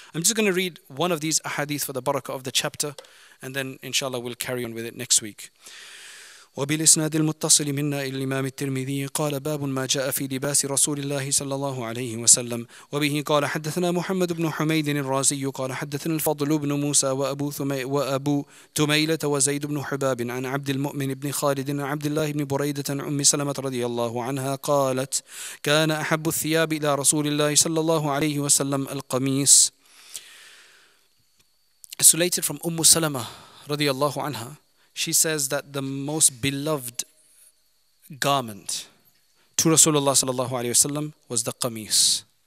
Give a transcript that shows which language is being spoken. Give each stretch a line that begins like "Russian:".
English: I'm just going to read one of these ahadith for the barakah of the chapter, and then inshallah we'll carry on with it next week.
Arabic: وبالإسناد المتصل منا إلى الإمام الترمذي قال باب ما جاء في لباس رسول الله صلى الله عليه وسلم وبه قال حدثنا محمد بن حميد الرازي قال حدثنا الفضل بن موسى وأبو تميلة وزيد بن حباب عن عبد المؤمن بن خالد عن عبد الله بن بريدة أم سلمة رضي الله عنها قالت كان أحب الثياب إلى رسول الله صلى الله عليه وسلم القميص.
English: It's related from
Arabic: أم سلمة رضي الله عنها.
English: She says that the most beloved garment to Rasulullah sallallahu alaihi wasallam was the qamis.